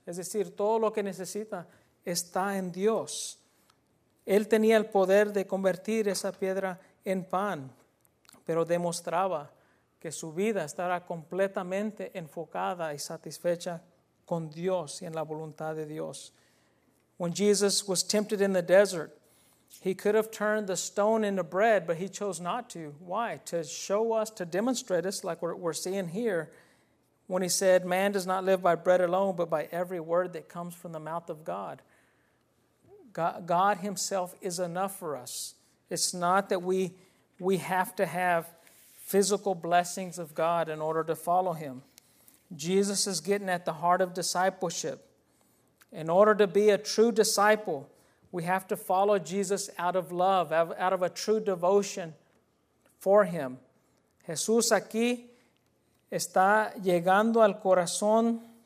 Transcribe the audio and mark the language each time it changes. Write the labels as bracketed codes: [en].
[es] Es decir, todo lo que necesita está en Dios. Él tenía el poder de convertir esa piedra en pan, pero demostraba que su vida estará completamente enfocada y satisfecha con Dios y en la voluntad de Dios. [en] When Jesus was tempted in the desert, he could have turned the stone into bread, but he chose not to. Why? To show us, to demonstrate us, like we're seeing here, when he said, man does not live by bread alone, but by every word that comes from the mouth of God. God himself is enough for us. It's not that we have to have physical blessings of God in order to follow him. Jesus is getting at the heart of discipleship. In order to be a true disciple, we have to follow Jesus out of love, out of a true devotion for him. [es] Jesús aquí está llegando al corazón